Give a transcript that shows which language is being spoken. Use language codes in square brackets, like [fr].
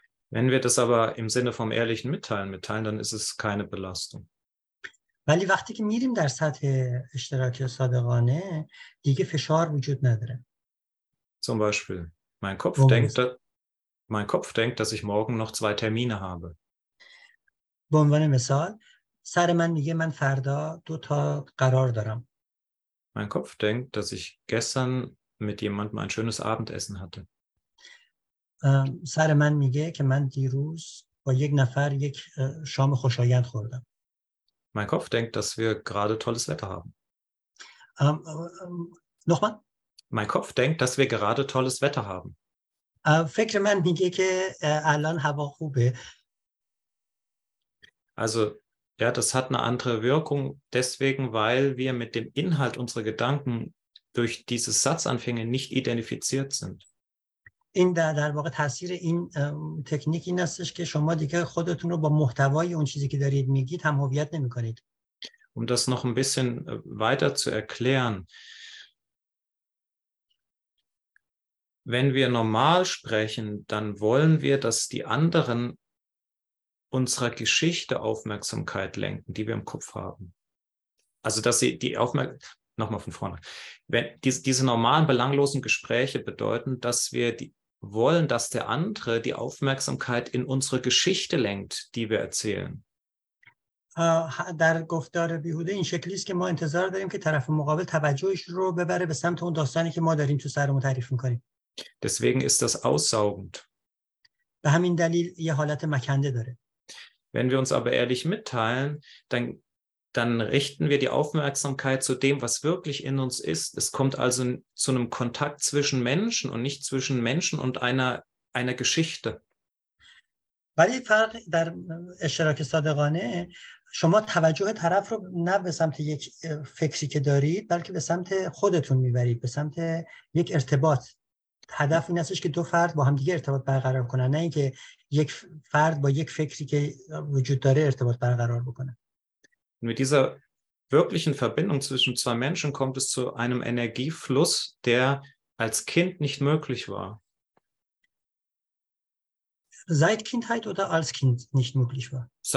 [de] Wenn wir das aber im Sinne vom ehrlichen Mitteilen mitteilen, dann ist es keine Belastung. Zum Beispiel, mein Kopf denkt, dass ich morgen noch zwei Termine habe. [fa] سر من میگه من فردا دو تا قرار دارم. [de] Mein Kopf denkt, dass ich gestern mit jemandem ein schönes Abendessen hatte. [fa] سر من میگه که من دیروز با یک نفر یک شام خوشایند خوردم. [de] Mein Kopf denkt, dass wir gerade tolles Wetter haben. Nochmal? Mein Kopf denkt, dass wir gerade tolles Wetter haben. [fa] فکر من میگه که الان هوا خوبه. [de] Also ja, das hat eine andere Wirkung, deswegen, weil wir mit dem Inhalt unserer Gedanken durch diese Satzanfänge nicht identifiziert sind. In der [fa] واقع تاثیر این تکنیک این هستش که شما دیگه خودتون رو با محتوای اون چیزی که دارید میگید هم هویت نمی‌کنید. [de] Um das noch ein bisschen weiter zu erklären. Wenn wir normal sprechen, dann wollen wir, dass die anderen unserer Geschichte Aufmerksamkeit lenken, die wir im Kopf haben. Also, dass sie die Aufmerksamkeit, nochmal von vorne, wenn diese normalen, belanglosen Gespräche bedeuten, dass wir die wollen, dass der andere die Aufmerksamkeit in unsere Geschichte lenkt, die wir erzählen. [fa] در گفتار بیهوده این شکلی است که ما انتظار داریم که طرف مقابل توجهش رو ببره به سمت اون داستانی که ما داریم تو سرمون تعریف میکنیم. [de] Deswegen ist das aussaugend. [fa] به همین دلیل یه حالت مکنده داره. [de] Wenn wir uns aber ehrlich mitteilen, dann richten wir die Aufmerksamkeit zu dem, was wirklich in uns ist. Es kommt also zu einem Kontakt zwischen Menschen und nicht zwischen Menschen und einer Geschichte. [fa] ولی فرق در اشتراک صادقانه شما توجه طرف رو نه به سمت یک فکری که دارید بلکه به سمت خودتون میبرید به سمت یک ارتباط. هدف این استش که دو فرد با هم دیگه ارتباط برقرار کنن نه اینکه یک فرد با یک فکری که وجود داره ارتباط برقرار بکنه. [de] Mit dieser wirklichen Verbindung zwischen zwei Menschen kommt es zu einem Energiefluss, der als Kind nicht möglich war. Seit Kindheit oder als Kind nicht möglich war?